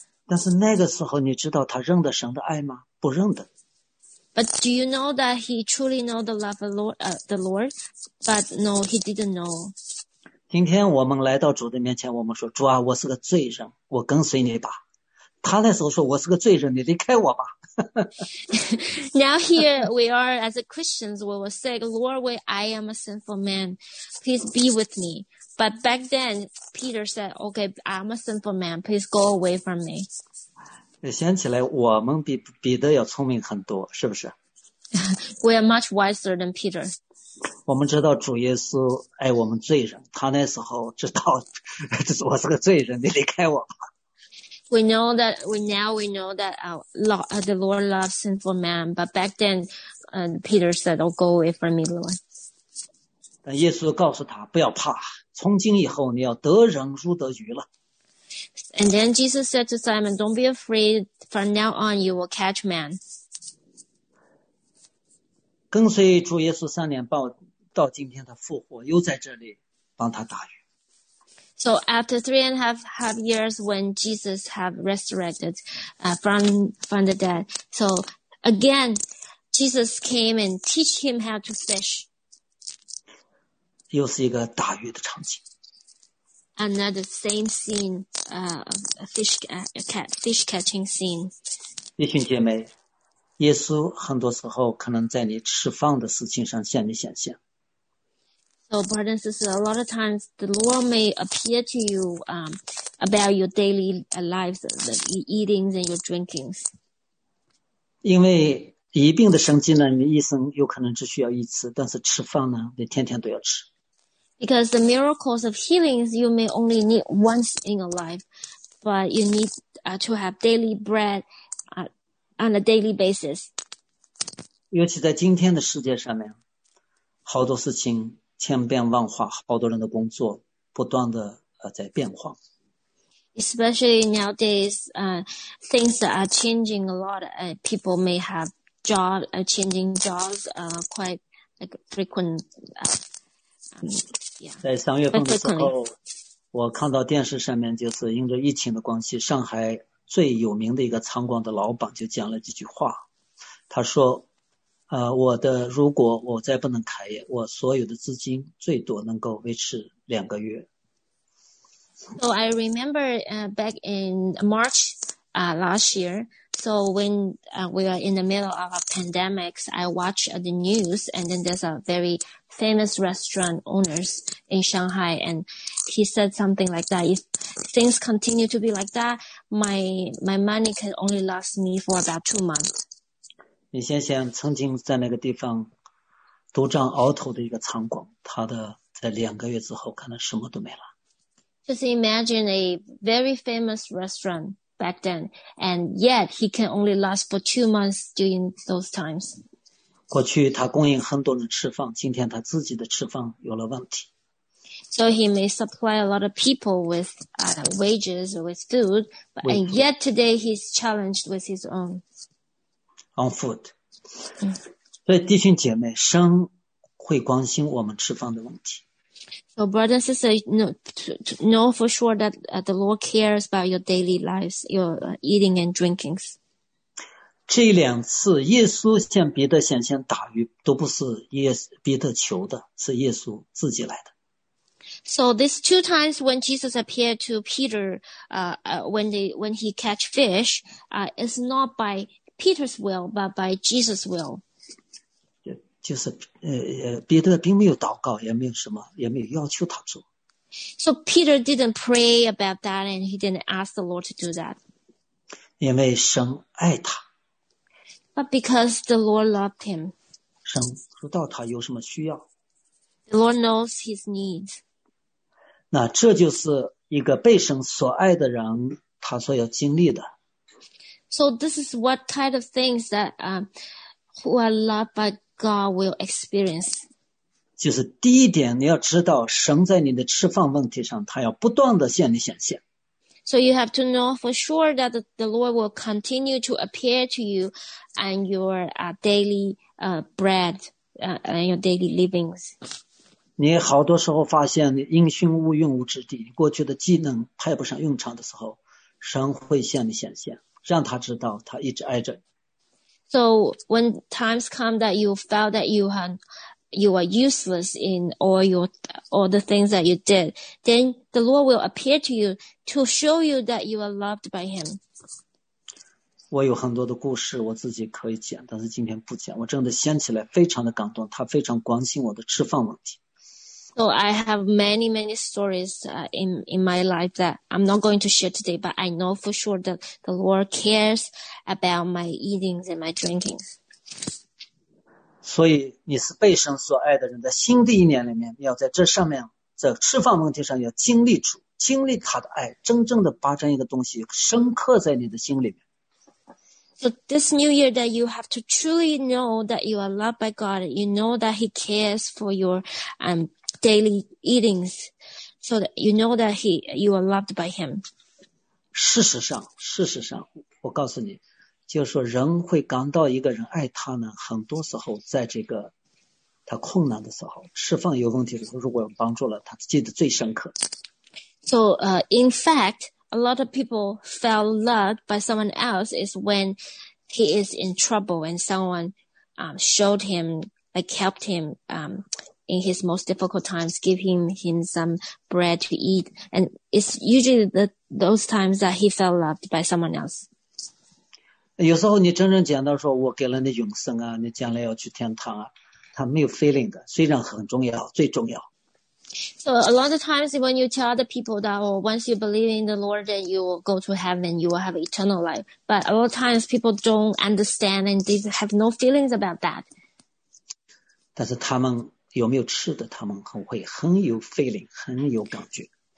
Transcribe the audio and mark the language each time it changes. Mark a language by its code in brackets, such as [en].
[zh] 但是那个时候你知道他认得神的爱吗？不认得。 [en] But do you know that he truly know the love of the Lord? But no, he didn't know. [zh] 今天我们来到主的面前，我们说主啊，我是个罪人，我跟随你吧。他那时候说我是个罪人，你离开我吧。 [en] Now here we are as a Christians, we will say, Lord, I am a sinful man, please be with me. But back then, Peter said, okay, I'm a sinful man, please go away from me. [zh] 想起来我们比彼得要聪明很多，是不是？ [en] We are much wiser than Peter. [zh] 我们知道主耶稣爱我们罪人，他那时候知道我是个罪人，你离开我吧。 [en] We know that the Lord loves sinful man, but back then, Peter said, "Oh, go away from me, Lord." [zh] 但耶稣告诉他不要怕，从今以后你要得人如得鱼了。 [en] And then Jesus said to Simon, "Don't be afraid. From now on, you will catch men." [zh] 跟随主耶稣三年半，到今天他复活，又在这里帮他打鱼。 [en] So after 3.5 years, when Jesus have resurrected from the dead, so again, Jesus came and teach him how to fish. [zh] 又是一个打鱼的场景。 [en] Another same scene, fish catching scene. [zh] 弟兄姐妹，耶稣很多时候可能在你吃饭的事情上向你显现。 [en] So, brothers and sisters, a lot of times the Lord may appear to you about your daily lives, the eatings and your drinkings. [zh] 因为疫病的生机呢，你一生有可能只需要一次，但是吃饭呢，你天天都要吃。 [en] Because the miracles of healings you may only need once in your life, but you need to have daily bread on a daily basis. [zh] 尤其在今天的世界上面，好多事情千变万化，好多人的工作不断的在变化。 [en] Especially nowadays, things are changing a lot. People may have job, changing jobs, quite like frequent. Yeah. [zh] 在三月份的时候，我看到电视上面，就是因着疫情的关系，上海最有名的一个餐馆的老板就讲了几句话，他说。如果我再不能开业，我所有的资金最多能够维持两个月。 [en] So I remember back in March last year. So when we are in the middle of a pandemic, I watch the news, and then there's a very famous restaurant owners in Shanghai, and he said something like that. If things continue to be like that, my money can only last me for about 2 months. [zh] 你先想曾经在那个地方独占鳌头的一个餐馆，他的在两个月之后可能什么都没了。 [en] Just imagine a very famous restaurant back then, and yet he can only last for 2 months during those times. [zh] 过去他供应很多人吃饭，今天他自己的吃饭有了问题。 [en] So he may supply a lot of people with wages or with food, but and yet today he's challenged with his own. On food. [zh] 所以弟兄姐妹，神会关心我们吃饭的问题。 [en] So brothers and sisters, know for sure that the Lord cares about your daily lives, your eating and drinkings. [zh] 这两次耶稣向彼得显现打鱼，都不是彼得求的，是耶稣自己来的。 [en] So these two times when Jesus appeared to Peter, when he catch fish, it's not by Peter's will, but by Jesus' will. [zh] 就是彼得并没有祷告，也没有什么，也没有要求他做。 [en] So Peter didn't pray about that, and he didn't ask the Lord to do that. [zh] 因为神爱他。 [en] But because the Lord loved him. [zh] 神知道他有什么需要。 [en] The Lord knows his needs. [zh] 那这就是一个被神所爱的人，他所要经历的。 [en] So this is what kind of things that who are loved by God will experience. [zh] 就是第一点，你要知道神在你的吃饭问题上，他要不断的向你显现。 [en] So you have to know for sure that the Lord will continue to appear to you and your daily bread and your daily livings. [zh] 你好多时候发现你因循无用无之地，过去的技能派不上用场的时候，神会向你显现。让他知道他一直爱着。 [en] So when times come that you felt that you are useless in all the things that you did, then the Lord will appear to you to show you that you are loved by him. [zh] 我有很多的故事我自己可以讲，但是今天不讲。我真的想起来非常的感动，他非常关心我的吃饭问题。 [en] So I have many, many stories in my life that I'm not going to share today, but I know for sure that the Lord cares about my eatings and my drinkings. [zh] 所以你是被神所爱的人，在新的一年里面要在这上面，在释放问题上要经历主，经历他的爱，真正的把这样一个东西深刻在你的心里面。 [en] So this new year that you have to truly know that you are loved by God, you know that he cares for your daily eatings, so that you know that you are loved by him. [zh] 事实上我告诉你，就是说人会感到一个人爱他呢，很多时候在这个他困难的时候，释放有问题的时候，如果帮助了他，记得最深刻。 [en] So, in fact, a lot of people felt loved by someone else is when he is in trouble and someone, showed him, like helped him, in his most difficult times, give him some bread to eat. And it's usually those times that he felt loved by someone else. [zh] 有时候你真正讲到说我给了你永生啊，你将来要去天堂啊，他没有 feeling 的，虽然很重要，最重要。 [en] So a lot of times when you tell other people that, oh, once you believe in the Lord, then you will go to heaven, you will have eternal life. But a lot of times people don't understand and they have no feelings about that. [zh] 但是他们有没有吃的，他们很有 feeling, 很有感觉。